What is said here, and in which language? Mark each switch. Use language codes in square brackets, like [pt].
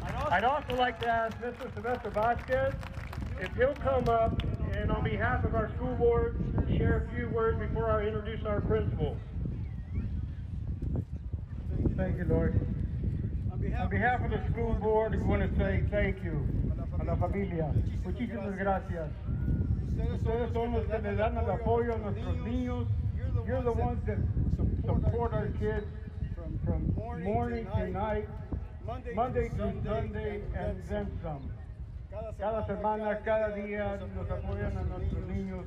[en] I'd also like to ask Mr. Sylvester Vasquez if he'll come up and on behalf of our school board share a few words before I introduce our principal. Thank you, Lord. On behalf of the school board, we want to say thank you. [es] A la familia. Muchísimas gracias. Ustedes son los que le dan el apoyo a nuestros niños. [en] You're the ones that support our kids from morning to night, Monday to Sunday, and then some. [es] Cada semana, cada día, nos apoyan a nuestros niños.